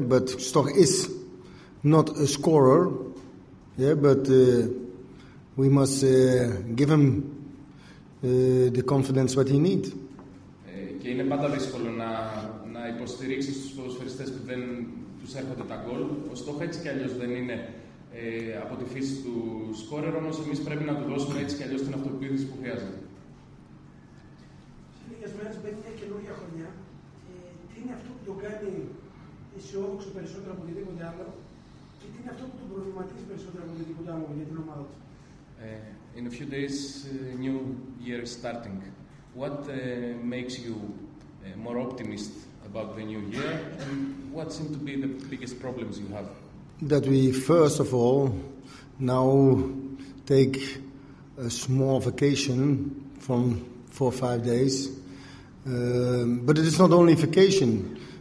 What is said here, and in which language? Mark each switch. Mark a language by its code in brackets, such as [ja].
[en] But Stoch is not a scorer. Yeah? But we must give him the confidence what he needs. [el] Και είναι πάντα δύσκολο να υποστηρίξεις τους ποδοσφαιριστές που δεν τους έρχονται τα γκολ. Ο Στόχ έτσι κι αλλιώς δεν είναι από τη φύση του σκόρερ, όμως εμείς πρέπει να του δώσουμε έτσι κι αλλιώς την αυτοποίθηση που χρειάζεται. Σε λίγες μέρες μπαίνει μια καινούργια χρονιά. Τι είναι αυτό που το κάνει αισιόδοξο περισσότερο από οτιδήποτε άλλο και τι είναι αυτό που τον προβληματίζει περισσότερο από οτιδήποτε άλλο για την ομάδα του? [en] In a few days, new year is starting. What makes you more optimist about the new year? And what seem to be the biggest problems you have? That we, first of all, now take a small vacation from 4 or 5 days. But it is not only vacation.